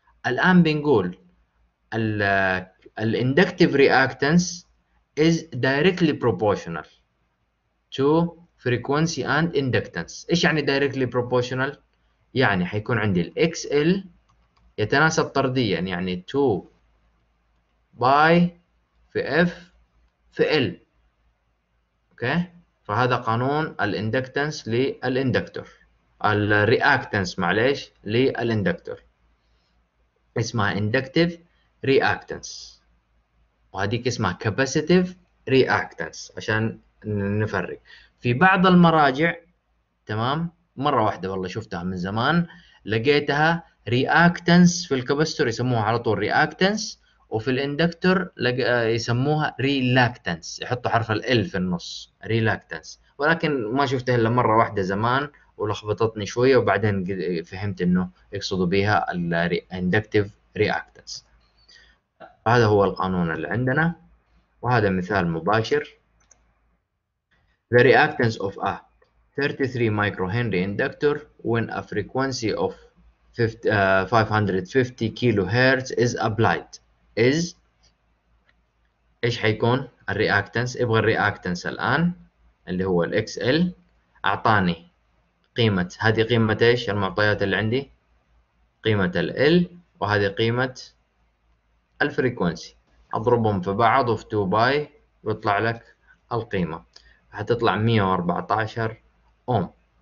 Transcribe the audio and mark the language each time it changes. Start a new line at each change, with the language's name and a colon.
Arabic: الان بنقول الاندكتيف رياكتنس
English: is directly proportional to frequency and inductance.
Arabic: إيش يعني
English: directly proportional؟
Arabic: يعني حيكون عندي ال XL يتناسب طرديا، يعني 2 by في F في L. okay؟ فهذا قانون ال inductance لل inductor، ال reactance معليش لل inductor، اسمها inductive reactance. وهذيك اسمها capacitive رياكتنس، عشان نفرق. في بعض المراجع تمام، مره واحده والله شفتها من زمان لقيتها رياكتنس في الكابستور يسموها على طول رياكتنس، وفي الاندكتور يسموها ريلاكتنس، يحطوا حرف ال في النص ريلاكتنس. ولكن ما شفتها الا مره واحده زمان ولخبطتني شويه، وبعدين فهمت انه يقصدوا بها الاندكتيف رياكتنس. هذا هو القانون اللي عندنا، وهذا مثال مباشر.
English: The reactance of a 33 microhenry inductor when a frequency of 550 kilohertz is applied is
Arabic: ايش حيكون الرياكتنس؟ ابغى الرياكتنس الان اللي هو ال XL. اعطاني قيمه، هذه قيمه ايش المعطيات اللي عندي؟ قيمه ال L وهذه قيمه الفريكوانسي، اضربهم في بعض وفي 2 باي ويطلع لك القيمه، هتطلع 114 اوم.